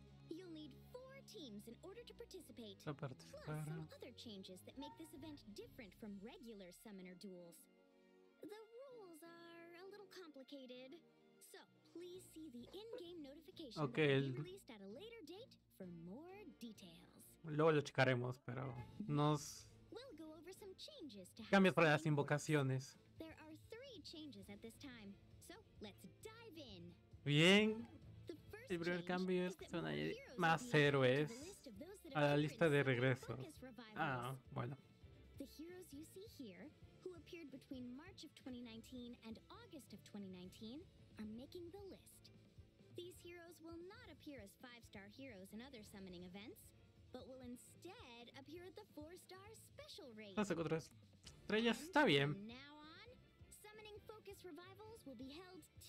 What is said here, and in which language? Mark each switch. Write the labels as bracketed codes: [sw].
[en] You'll need 4 teams in order to participate. Plus some other changes that make this event different from regular summoner duels. The rules are a little complicated. So, please see the in-game notification released at a later date for more details. [es] Luego lo checaremos, pero nos [en] we'll go over some changes to [es] cambios para las invocaciones. [en] There are 3 changes at this time. So, let's dive in. [es] Bien. El primer cambio es que se van a añadir más héroes a la lista de regreso. Ah, bueno. [en] The heroes you see here who appeared between March of 2019 and August of 2019 are making the list. These heroes will not appear as 5-star heroes in other summoning events, but will instead appear at the 4-star special rate. [es] Las 4 estrellas está bien. [en] Now on, summoning focus revivals will be held